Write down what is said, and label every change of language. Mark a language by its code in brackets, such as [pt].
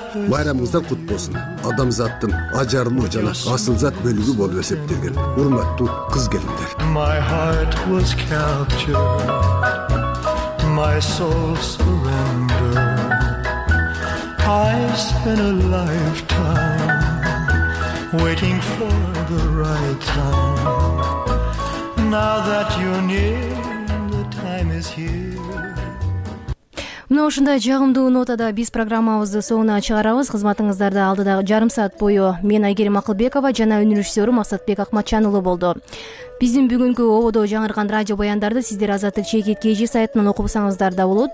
[ky] Майрамыңыздар кут болсун. Адамзаттын ажарлуу жана асылзат бөлүгү болуп эсептелген урматтуу кыз келиндер. [en] My soul surrendered. I spent a lifetime waiting for the right time. Now that you're near, the time is here. [ky] Мына ушундай жагымдуу нотада биз программабызды соңуна чыгарабыз. Кызматыңыздарда алдыдагы жарым саат бою мен Айгерим Акылбекова жана үн режиссёру Максатбек Акматчанулу болду. Биздин бүгүнкү ободо жаңырган радио баяндарды сиздер Азаттык Чекит KG сайтынан окупсаңыздар да болот.